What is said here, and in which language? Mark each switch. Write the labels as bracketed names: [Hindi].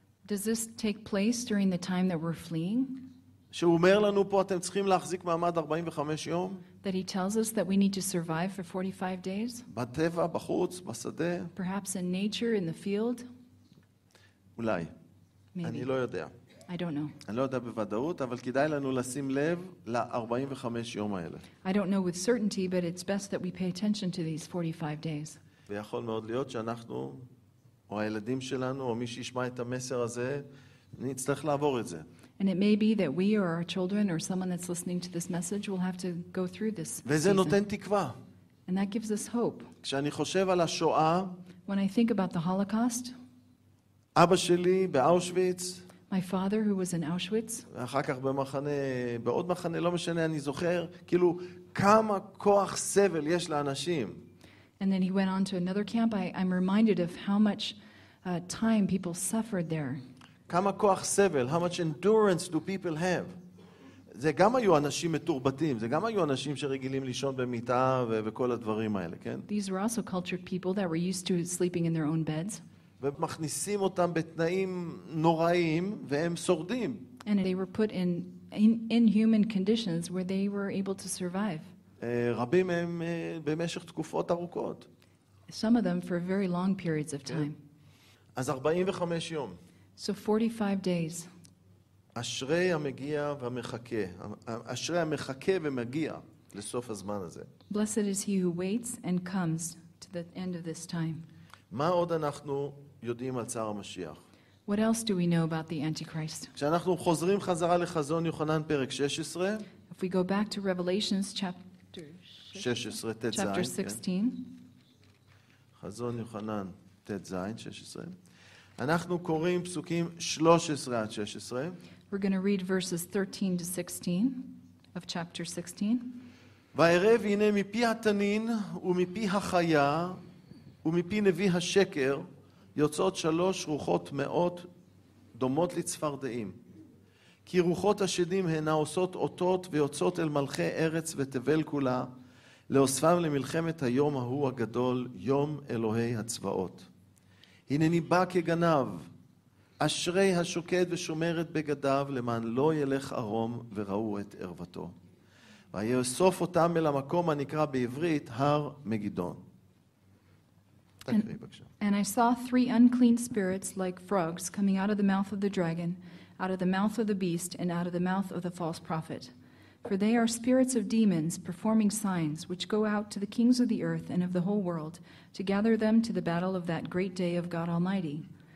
[English] Does this take place during the time that we're fleeing? [Hebrew] שהוא אומר לנו פה אתם צריכים להחזיק מעמד 45 יום? [English] That he tells us that we need to survive for 45 days? [Hebrew] בטבע, בחוץ, בשדה? [English] Perhaps in nature, in the field? [Hebrew] אולי. [English] Maybe. [Hebrew] אני לא יודע. [English] I don't know. [Hebrew] אני לא יודע בוודאות, אבל כדאי לנו לשים לב ל-45 יום האלה. [English] I don't know with certainty, but it's best that we pay attention to these 45 days. [Hebrew] ויכול מאוד להיות שאנחנו, או הילדים שלנו, או מי שישמע את המסר הזה, נצטרך לעבור את זה. [English] And it may be that we or our children or someone that's listening to this message will have to go through this. [Hebrew] וזה נותן תקווה. [English] And that gives us hope. [Hebrew] כשאני חושב על השואה, [English] when I think about the Holocaust, [Hebrew] אבא שלי באושוויץ, [English] my father who was in Auschwitz, [Hebrew] ואחר כך במחנה, בעוד מחנה, לא משנה, אני זוכר, כאילו, כמה כוח סבל יש לאנשים. [English] And then he went on to another camp. I'm reminded of how much time people suffered there. [Hebrew] כמה כוח סבל, [English] how much endurance do people have? [Hebrew] זה גם היו אנשים מתורבתים, זה גם היו אנשים שרגילים לישון במיטה וכל הדברים האלה, כן? [English] These were also cultured people that were used to sleeping in their own beds. [Hebrew] ומכניסים אותם בתנאים נוראים והם שורדים. [English] And they were put in inhuman conditions where they were able to survive. [Hebrew] רבים מהם במשך תקופות ארוכות. [English] Some of them for very long periods of time. [Hebrew] אז 45 יום. [English] So 45 days. [Hebrew] אשרי המגיע והמחכה. אשרי המחכה ומגיע לסוף הזמן הזה. [English] Blessed is he who waits and comes to the end of this time. [Hebrew] מה עוד אנחנו יודעים על צער המשיח? [English] What else do we know about the Antichrist? [Hebrew] כשאנחנו חוזרים חזרה לחזון יוחנן פרק 16. [English] If we go back to Revelations chapter 16, chapter 16. [Hebrew] חזון יוחנן ט"ז 16. אנחנו קוראים פסוקים 13 עד 16. [English] We're going to read verses 13 to 16 of chapter 16. [Hebrew] ואראה והנה מפי התנין ומפי החיה ומפי נביא השקר יוצאות שלוש רוחות מאות דומות לצפרדעים. כי רוחות השדים הן עושות אותות ויוצאות אל מלכי ארץ ותבל כולה לאוספם למלחמת היום ההוא הגדול, יום אלוהי הצבאות. הנני בא כגנב, אשרי השוקד ושומרת בגדיו, למען לא ילך ארום וראו את ערוותו. ויאסוף אותם אל המקום הנקרא בעברית הר מגידון. [English] And I saw three unclean spirits like frogs coming out of the mouth of the dragon, out of the mouth of the beast, and out of the mouth of the false prophet. For they are spirits of demons performing signs which go out to the kings of the earth and of the whole world to gather them to the battle of that great day of God Almighty.